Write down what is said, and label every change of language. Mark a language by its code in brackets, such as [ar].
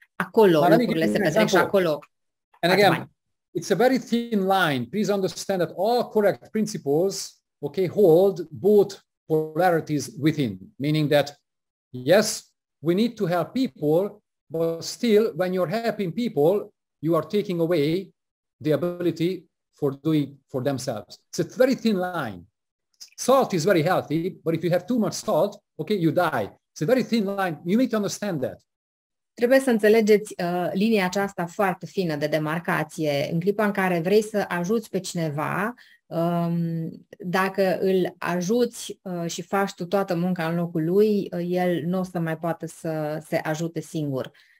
[ro] Acolo lucrurile se petrec și acolo. [en] And again, it's a very thin line. Please understand that all correct principles, okay, hold both polarities within, meaning that, yes, we need to help people, but still, when you're helping people, you are taking away the ability for doing for themselves. It's a very thin line. Salt is very healthy, but if you have too much salt, okay, you die. It's a very thin line. You need to understand that. [ro] Trebuie să înțelegeți linia aceasta foarte fină de demarcație. În clipa în care vrei să ajuți pe cineva, dacă îl ajuți și faci tu toată munca în locul lui, el nu o să mai poată să se ajute singur.